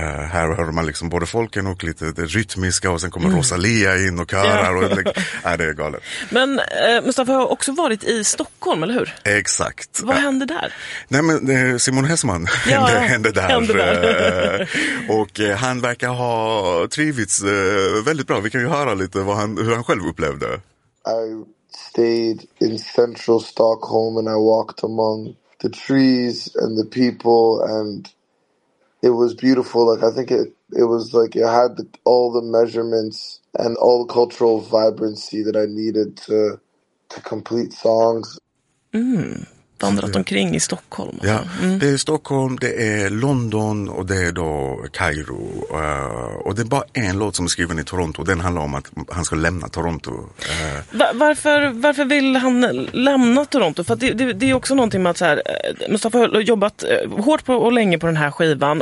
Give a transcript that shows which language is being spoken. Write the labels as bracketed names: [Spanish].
[Swedish] Här hör man liksom både folken och lite det rytmiska, och sen kommer Rosalia in och körar och det är galet. Men Mustafa har också varit i Stockholm, eller hur? Exakt. Vad hände där? Nej, men Simon Hessman hände där. Och han verkar ha trivits väldigt bra. Vi kan ju höra lite vad han, hur han själv upplevde. [English] I stayed in central Stockholm and I walked among the trees and the people, and it was beautiful. Like, I think it was like it had all the measurements and all the cultural vibrancy that I needed to complete songs. [Swedish] Vandrat omkring i Stockholm. Ja, det är Stockholm, det är London och det är då Kairo. Och det är bara en låt som är skriven i Toronto. Den handlar om att han ska lämna Toronto. Varför vill han lämna Toronto? För att det är också någonting med att så här, Mustafa har jobbat hårt på och länge på den här skivan.